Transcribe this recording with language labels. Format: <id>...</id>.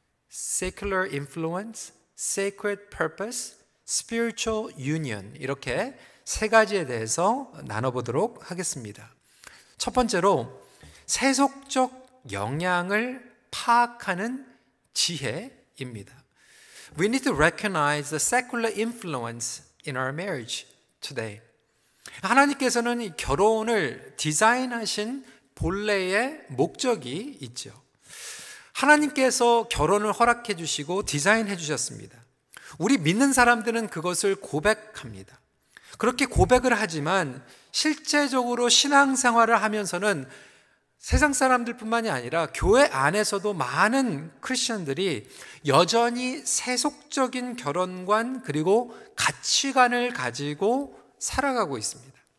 <en>secular influence, sacred purpose, spiritual union.</en> <ko>이렇게 세 가지에 대해서 나눠보도록 하겠습니다. 첫 번째로 세속적 영향을 파악하는 지혜입니다.</ko> <en>We need to recognize the secular influence in our marriage today.</en> <ko>하나님께서는 결혼을 디자인하신 본래의 목적이 있죠. 하나님께서 결혼을 허락해 주시고 디자인해 주셨습니다. 우리 믿는 사람들은 그것을 고백합니다. 그렇게 고백을 하지만 실제적으로 신앙생활을 하면서는 세상 사람들뿐만이 아니라 교회 안에서도 많은 크리스천들이 여전히 세속적인 결혼관 그리고 가치관을 가지고 살아가고 있습니다.</ko>